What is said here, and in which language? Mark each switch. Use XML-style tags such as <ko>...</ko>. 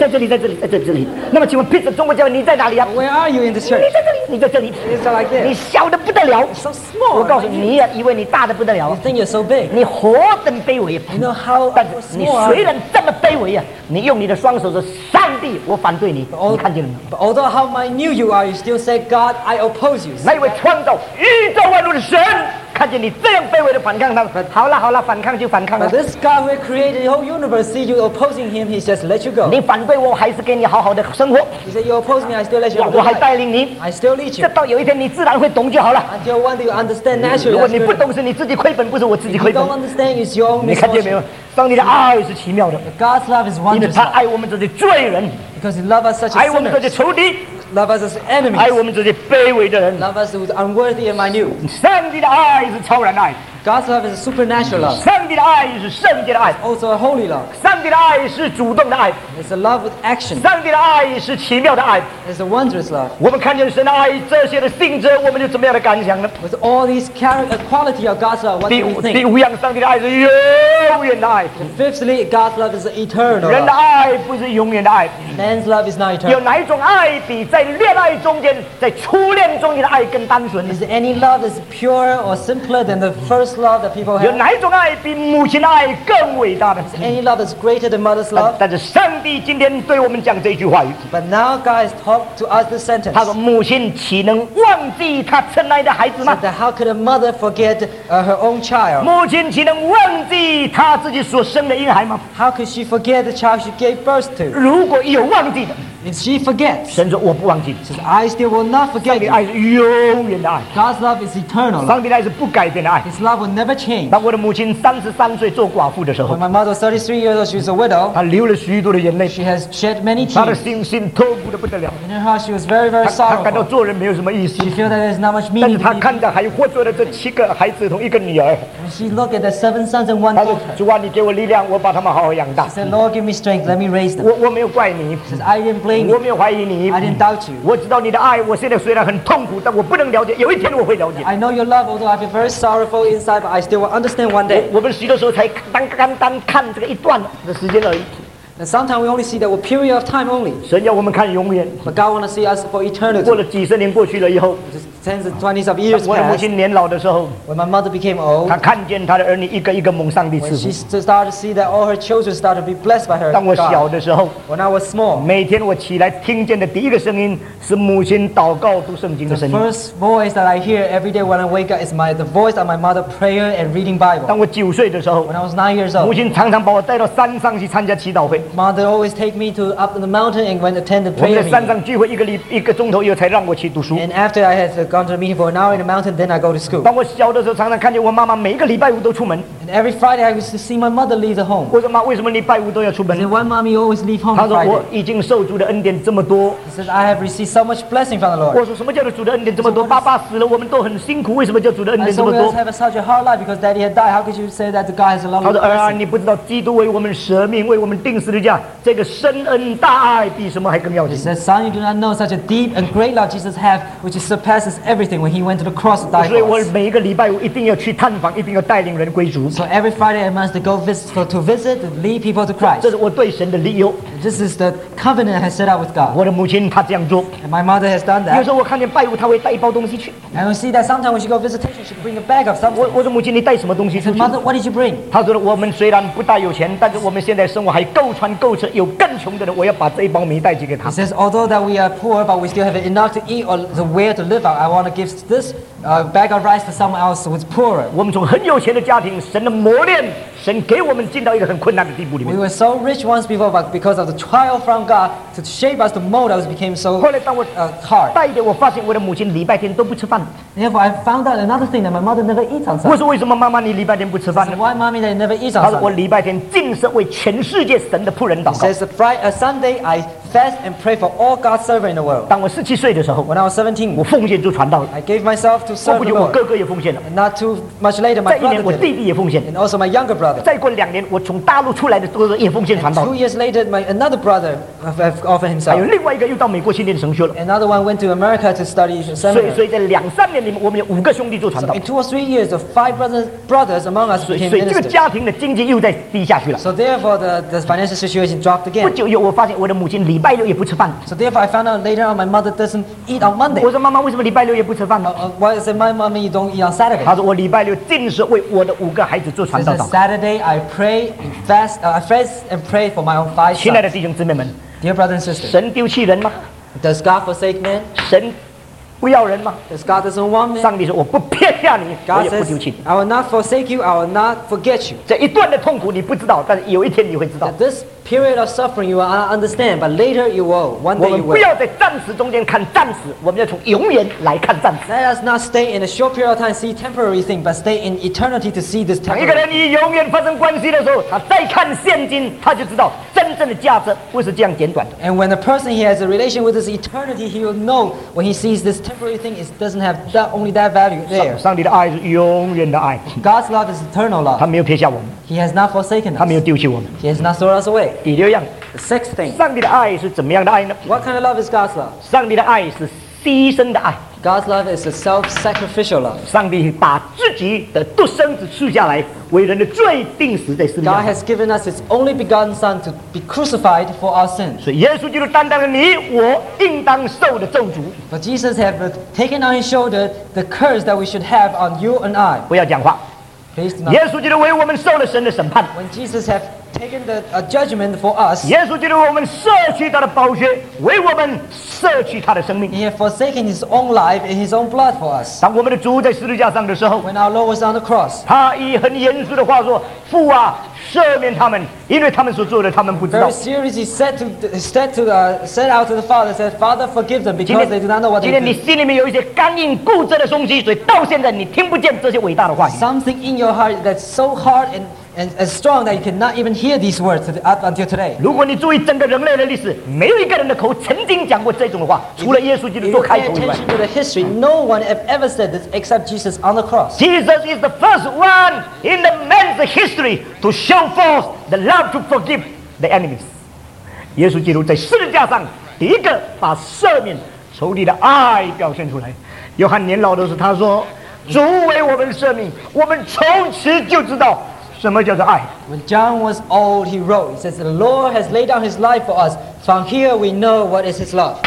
<zh>在这里。那么请问 Pittsburgh 中国教会你在哪里啊？</zh> <en>Where are you in the church？</en> <zh>你在这里。</zh> <en>It's like this。</en> <zh>你小的不得了。</zh> <en>So small。</en> <zh>我告诉你，以为你大的不得了。</zh> <en>You think you're so big？</en> <zh>你何等卑微。</zh> <en>You know how？</en> <zh>你虽然这么卑微啊，你用你的双手说：“上帝，我反对你。” 你看见了吗</zh> <en>？But although how minute you are, you still say, "God, I oppose you."</en> <zh>那位创造宇宙万物的神，看见你这样卑微的反抗他。好了，反抗就反抗了。</zh> <en>But this God who created the whole universe, see you opposing him, he says, "Let you go."</en> <zh>你反对我，还是给你好好的生活</zh> <en>？He said, "You oppose me, I still let you go."</en> <zh>我还带领你</zh> <en>，I still lead you.</en> <zh>这到有一天你自然会懂就好了。</zh> <en>Until one day you understand naturally.</en> <zh>如果你不懂，是你自己亏本，不是我自己亏本。</zh> <en>If you don't understand, it's your own misfortune.</en> <zh>你看见没有？上帝的爱是奇妙的</zh> <en>God's love is wonderful</en> <zh>因为他爱我们这些罪人</zh> <en>Because he loves us such as sinners</en> <zh>爱我们这些仇敌</zh> <en>Loves us as enemies</en> <zh>爱我们这些卑微的人</zh> <en>Loves us who's unworthy and minute</en> <zh>上帝的爱是超然爱</zh> <en>God's love is a supernatural love</en> <zh>上帝的爱是圣洁的爱</zh> <en>It's also a holy love</en> <zh>上帝的爱是主动的爱</zh> <en>It's a love with action</en> <zh>上帝的爱是奇妙的爱</zh> <en>It's a wondrous love</en> <zh>我们看见神的爱这些的性质我们就怎么样的感想呢</zh> <en>With all these character quality of God's love What do you think?</en> <zh>第五样上帝的爱是耶</zh> <en>And fifthly, God's love is eternal.</en> <zh>人的爱不是永远的爱。</zh> <en>Man's love is not eternal.</en> <zh>有哪一种爱比在恋爱中间，在初恋中间的爱更单纯</zh> <en>？Is any love is pure or simpler than the first love that people have?</en> <zh>有哪一种爱比母亲的爱更伟大的</zh> <en>？Is any love is greater than mother's love?</en> <zh>但是上帝今天对我们讲这句话语。</zh> <en>But now God has talked to us this sentence.</en> <zh>他说：“母亲岂能忘记她亲爱的孩子吗</zh> <en>？”So that how could a mother forget her own child?</en> <zh>母亲岂能忘记她？他自己所生的婴孩吗</zh> <en>？How could she forget the child she gave birth to？</en> <zh>如果有忘记的</zh> <en>，If she forgets，</en> <zh>神说我不忘记。</zh> <en>Says I still will not forget。</en> <zh>上帝爱是永远的爱。</zh> <en>God's love is eternal。</en> <zh>上帝爱是不改变的爱。</zh> <en>His love will never change。</en> <zh>当我的母亲33岁做寡妇的时候</zh> <en>，When my mother was 33 years old, she was a widow。</en> <zh>她流了许多的眼泪。</zh> <en>She has shed many tears。</en> <zh>她的心痛苦的不得了。</zh> <en>In her heart, she was very, very sorrowful。</en> <zh>她感到做人没有什么意思。</zh> <en>She feels that there's not much meaning。</en> <zh>但是她看到还有活着的这七个孩子同一个女儿。</zh> <en>She looked at the 7 sons and 1 daughter。</en> <zh>主啊，你给我力量，我把他们好好养大。</zh> <en>She said, "Lord, give me strength. Let me raise them."</en> <zh>我没有怪你。</zh> <en>She said, "I didn't blame you."</en> <zh>我没有怀疑你。</zh> <en>I didn't doubt you.</en> <zh>我知道你的爱。我现在虽然很痛苦，但我不能了解。有一天我会了解。</zh> <en>I know your love, although I feel very sorrowful inside, but I still will understand one day.</en> <zh>我们许多时候才刚看这个一段的时间而已。</zh> <en>And sometimes we only see that a period of time only.</en> <zh>神要我们看永远。</zh> <en>But God wants to see us for eternity.</en> <zh>过了几十年过去了以后。</zh> <en>Tens of twenties of years passed.</en> <zh>我母亲年老的时候</zh> <en>，When my mother became old,</en> <zh>她看见她的儿女一个一个蒙上帝赐福。</zh> <en>When she started to see that all her children started to be blessed by her.</en> <zh>当我小的时候</zh> <en>，When I was small,</en> <zh>每天我起来听见的第一个声音是母亲祷告读圣经的声音。</zh> <en>The first voice that I hear every day when I wake up is the voice of my mother praying and reading Bible.</en> <zh>当我9岁的时候</zh> <en>，When I was 9 years old,</en> <zh>母亲常常把我带到山上去参加祈祷会。</zh> <en>Mother always take me to up in the mountain and went attend the prayer meeting.</en> <zh>我们在山上聚会一个钟头以后才让我去读书。</zh> <en>And after I had gone to the meeting for an hour in the mountain, then I go to school.</en> <zh>当我小的时候，常常看见我妈妈每一个礼拜五都出门。</zh> <en>And every Friday, I used to see my mother leave the home.</en> <zh>我说妈，为什么礼拜五都要出门</zh> <en>？Then why mommy always leave home?</en> <zh>她说我已经受主的恩典这么多。</zh> <en>He says I have received so much blessing from the Lord.</en> <zh>我说什么叫做主的恩典这么多？爸爸死了，我们都很辛苦，为什么叫主的恩典这么多</zh> <en>？I always have such a hard life because daddy had died. How could you say that God has a lot of blessing?</en> <zh>她说儿啊，你不知道基督为我们舍命，为我们钉十字架，这个深恩大爱比什么还更要紧</zh> <en>？He says, son, you do not know such a deep and great love Jesus have, which surpasses everything when he went to the cross to die.</en> <zh>所以我每一个礼拜我一定要去探访，一定要带领人归主。</zh> <en>So every Friday I must go visit to lead people to Christ.</en> <zh>这是我对神的理由。</zh> <en>This is the covenant I have set up with God.</en> <zh>我的母亲她这样做。</zh> <en>And my mother has done that.</en> <zh>有时候我看见拜物，她会带一包东西去。</zh> <en>And I see that sometimes when she goes visitation, she bring a bag of something.</en> <zh>我的母亲，你带什么东西出去</zh> <en>？Mother, what did you bring?</en> <zh>她说我们虽然不大有钱，但是我们现在生活还够穿够吃，有更穷的人，我要把这一包米带去给她。</zh> <en>She says, although that we are poor, but we still have enough to eat or the way to live out, I want to give this. Bag of rice to someone else who is poorer.</en> <zh>我们从很有钱的家庭，神的磨练，神给我们进到一个很困难的地步里面。</zh> <en>We were so rich once before, but because of the trial from God to shape us, to mold us, became so hard.</en> <zh>带一点，我发现我的母亲礼拜天都不吃饭。</zh> <en>Therefore, I found out another thing that my mother never eats on Sunday.</en> <zh>我说为什么妈妈你礼拜天不吃饭呢</zh> <en>？Why, mommy, they never eat on Sunday?</en> <zh>她说我礼拜天尽是为全世界神的仆人祷告。</zh> <en>She says, Friday, Sunday, I fast and pray for all God's servants in the world.</en> <zh>当我十七岁的时候</zh> <en>，When I was 17,</en> <zh>我奉献就传道了。</zh> <en>I gave myself to</en> <zh>过不久，我哥哥也奉献了。</zh> <en>Not too much later, my brother.</en> <zh>再一年，我弟弟也奉献。</zh> <en>And also my younger brother.</en> <zh>再过两年，我从大陆出来的哥哥也奉献传道。</zh> <en>Two years later, my another brother offered himself.</en> <zh>还有另外一个又到美国去念神学了。</zh> <en>Another one went to America to study seminary.</en> <zh>所以在两三年里面，我们有五个兄弟做传道。</zh> <en>In two or three years, the five brothers among us became ministers.</en> <zh>所以这个家庭的经济又在低下去了。</zh> <en>So therefore, the financial situation dropped again.</en> <zh>不久又，我发现我的母亲礼拜六也不吃饭。</zh> <en>So therefore, I found out later on my mother doesn't eat on Monday.</en> <zh>我说妈妈，为什么礼拜六也不吃饭呢？</zh> <en>Why is it my mommy you don't eat on Saturday?</en> <zh>她说我礼拜六尽是为我的五个孩子做传道祷告。</zh> <en>Saturday I pray and fast and pray for my own five sons.</en> <zh>亲爱的弟兄姊妹们</zh> <en>，Dear brothers and sisters,</en> <zh>神丢弃人吗</zh> <en>？Does God forsake man?</en> <zh>神不要人吗</zh> <en>？Does God doesn't want man?</en> <zh>上帝说我不撇下你，</zh> <en>God、</en> <zh>我也不丢弃。</zh> <en>I will not forsake you. I will not forget you.</en> <zh>这一段的痛苦你不知道，但是有一天你会知道。</zh> <en>This period of suffering you will understand, but later you will. One day you will.</en> <zh>我们不要在暂时中间看暂时，我们要从永远来看暂时。</zh> <en>Let us not stay in a short period of time see temporary thing, but stay in eternity to see this temporary.</en> <zh>一个人与永远发生关系的时候，他再看现今，他就知道真正的价值不是这样简短的。</zh> <en>And when a person he has a relation with his eternity, he will know when he sees this temporary thing it doesn't have that only that value there.</en> <zh>上帝的爱是永远的爱。</zh> <en>God's love is eternal love.</en> <zh>他没有撇下我们。</zh> <en>He has not forsaken us.</en> <zh>他没有丢弃我们。</zh> <en>He has not thrown us away.</en> <zh>第六样</zh> <en>，the sixth thing，</en> <zh>上帝的爱是怎么样的爱呢</zh> <en>？What kind of love is God's love？</en> <zh>上帝的爱是牺牲的爱。</zh> <en>God's love is a self-sacrificial love.</en> <zh>上帝把自己的独生子赐下来，为人的罪钉死在十字架。</zh> <en>God has given us His only begotten Son to be crucified for our sins.</en> <zh>所以耶稣基督担当了你我应当受的咒诅。</zh> <en>But Jesus has taken on His shoulder the curse that we should have on you and I.</en> <zh>不要讲话。</zh> <en>Please do not.</en> <zh>耶稣基督为我们受了神的审判。</zh> <en>When Jesus has taken the judgment for us,</en> <zh>耶稣基督我们舍弃他的宝血，为我们舍弃他的生命。</zh> <en>He has forsaken his own life and his own blood for us.</en> <zh>当我们的主在十字架上的时候</zh> <en>，When our Lord was on the cross,</en> <zh>他以很严肃的话说：“父啊，赦免他们，因为他们所做的，他们不知道。”</zh> <en>Very seriously, said out to the Father, said, "Father, forgive them because they do not know what they do."</en> <zh>今天你心里面有一些刚硬固执的东西，所以到现在你听不见这些伟大的话语。</zh> <en>Something in your heart that's so hard andAnd as strong that you cannot even hear these words up until today.</en> <zh>如果你注意整个人类的历史，没有一个人的口曾经讲过这种的话，除了耶稣基督做开头以外。</zh> <en>If you pay attention to the history, no one have ever said this except Jesus on the cross. Jesus is the first one in the man's history to show forth the love to forgive the enemies.</en> <zh>耶稣基督在十字架上第一个把赦免仇敌的爱表现出来。约翰年老的时候他说：“主为我们赦免，我们从此就知道。” 什么叫做爱</zh> <en>？When John was old, he wrote, "He says the Lord has laid down His life for us. From here, we know what is His love."</en>